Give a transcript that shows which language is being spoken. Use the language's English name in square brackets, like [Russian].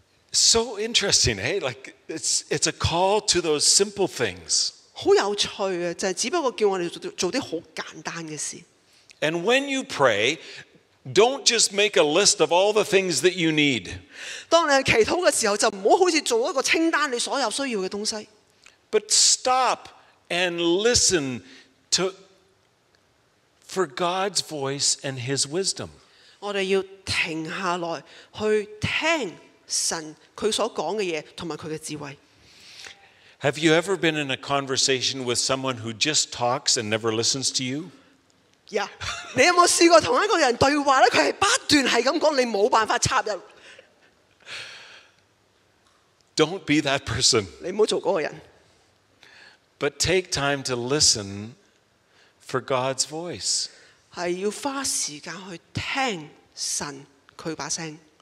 [English] So interesting, hey? Like it's a call to those simple things. [Cantonese] 好有趣啊！就系只不过叫我哋做啲好简单嘅事。 [English] And when you pray, don't just make a list of all the things that you need. [Cantonese] 当你祈祷嘅时候，就唔好好似做一个清单，你所有需要嘅东西。 [English] But stop and listen to for God's voice and His wisdom. [Cantonese] 我哋要停下来去听神佢所讲嘅嘢同埋佢嘅智慧。 [English] Have you ever been in a conversation with someone who just talks and never listens to you? [Cantonese] Yeah. 你有冇试过同一个人对话咧？佢系不断系咁讲，你冇办法插入。 [English] Don't be that person. [Cantonese] 你唔好做嗰个人。 [English] But take time to listen for God's voice. [Cantonese] 系要花时间去听神佢把声。